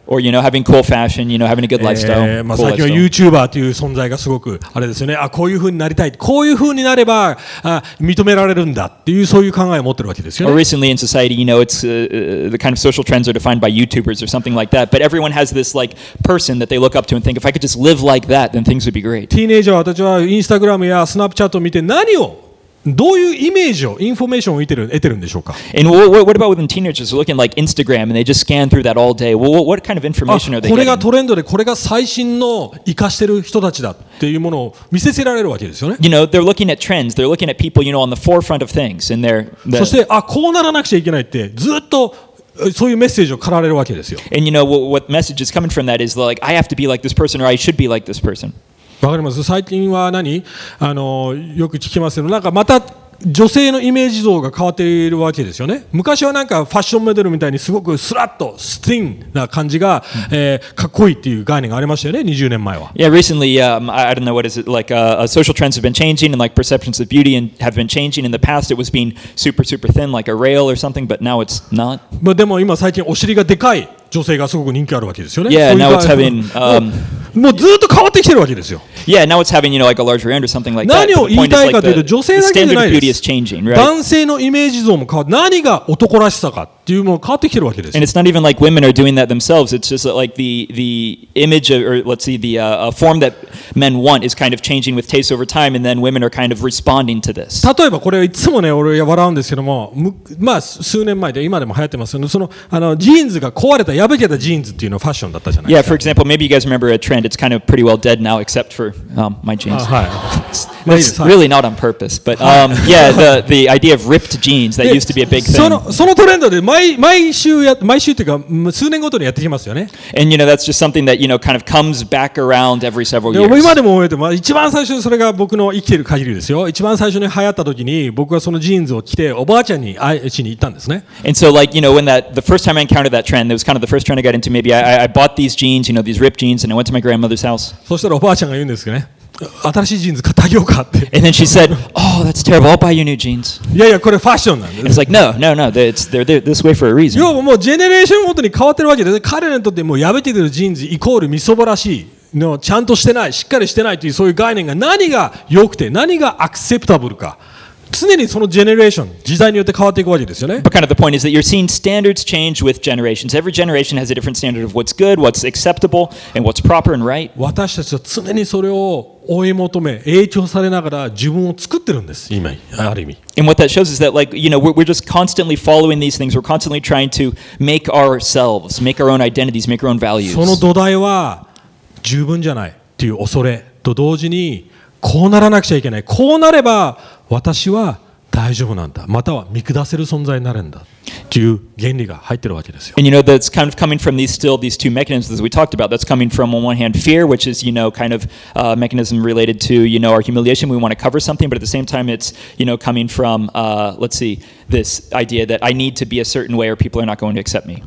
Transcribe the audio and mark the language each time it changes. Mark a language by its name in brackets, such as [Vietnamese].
[English] Or, you know, having cool fashion, you know, having a good lifestyle. [Japanese] まあ、最近は YouTuber という存在がすごく、あれですよね。あ、こういう風になりたい。こういう風になれば、認められるんだっていう、そういう考えを持ってるわけですよね。 [English] Or recently in society, you know, it's, the kind of social trends are defined by YouTubers or something like that. But everyone has this, like, person that they look up to and think, if I could just live like that, then things would be great. [Japanese] ティーネイジャーは私は Instagram や Snapchat を見て何をどういうイメージをインフォメーションを得てるんでしょうか? [English] And what about when teenagers are looking like Instagram and they just scan through that all day? What kind of information are they getting? [Japanese] これがトレンドでこれが最新の活かしてる人たちだっていうものを見せつけられるわけですよね。 [English] You know, they're looking at trends. They're looking at people, you know, on the forefront of things. And [Japanese] そして、あ、こうならなくちゃいけないってずっとそういうメッセージを駆られるわけですよ。 [English] And you know, what message is coming from that is like, I have to be like this person or I should be like this person. [Japanese] わかります。最近は何?よく聞きますけど、なんかまた女性のイメージ像が変わっているわけですよね。昔はなんかファッションモデルみたいにすごくスラッとスティンな感じが、かっこいいっていう概念がありましたよね。 20年前は。 [English] Yeah, recently, I don't know what is it like. Social trends have been changing, and like perceptions of beauty and have been changing. In the past, it was being super, super thin, like a rail or something, but now it's not. [Japanese] まあでも今最近お尻がでかい女性がすごく人気あるわけですよね。 [English] Yeah, now it's having. [Japanese] もうずっと変わってきてるわけですよ。 [English] Yeah, now it's having, you know, like a larger end or something like that. [Japanese] 何を言いたいかというと、女性だけじゃないです。 [English] Changing, right? [Japanese] 男性のイメージ像も変わって、何が男らしさかっていうものが変わってきてるわけです。 [English] And it's not even like women are doing that themselves. It's just like the image of, or let's see, the form that men want is kind of changing with taste over time, and then women are kind of responding to this. [Japanese] 例えばこれはいつもね、俺は笑うんですけども、まあ数年前で今でも流行ってますけど、そのジーンズが壊れた、破けたジーンズっていうのファッションだったじゃないですか。 [English] Yeah, for example, maybe you guys remember a trend. It's kind of pretty well dead now, except for my jeans. It's really not on purpose, but yeah, the idea of ripped jeans that used to be a big thing. [Japanese] そのトレンドで毎週というか数年ごとにやってきますよね。 [English] And you know that's just something that you know kind of comes back around every several years. [Japanese] 今でも覚えてます。一番最初にそれが僕の生きてる限りですよ。一番最初に流行った時に僕はそのジーンズを着ておばあちゃんに会いに行ったんですね。 [English] And so like you know when that the first time I encountered that trend, it was kind of the first trend I got into. Maybe I bought these jeans, you know these ripped jeans, and I went to my grandmother's house. [Japanese] そしたらおばあちゃんが言うんですよね。新しいジーンズ買ってあげようかって。 [English] And then she said, "Oh, that's terrible. I'll buy you new jeans." [Japanese] いやいや、これファッションなんです。 [English] It's like, no. They're this way for a reason. [Japanese] 要はもうジェネレーションごとに変わってるわけで、彼らにとってもう破けてるジーンズイコールみそぼらしい。のちゃんとしてない、しっかりしてないというそういう概念が何が良くて、何がアクセプタブルか。常にそのジェネレーション、時代によって変わっていくわけですよね。 [English] But kind of the point is that you're seeing standards change with generations. Every generation has a different standard of what's good, what's acceptable, and what's proper and right. [Japanese] 私たちは常にそれを追い求め、影響されながら自分を作ってるんです。今、ある意味。 [English] And what that shows is that, like, you know, we're just constantly following these things. We're constantly trying to make ourselves, make our own identities, make our own values. [Japanese] その土台は十分じゃないっていう恐れと同時に、こうならなくちゃいけない。こうなれば私は大丈夫なんだ。または見下せる存在になるんだ。という原理が入ってるわけですよ。 [English] And you know, that's kind of coming from these two mechanisms that we talked about. That's coming from, on one hand, fear, which is, you know, kind of a mechanism related to, you know, our humiliation. We want to cover something, but at the same time, it's, you know, coming from, let's see, this idea that I need to be a certain way or people are not going to accept me.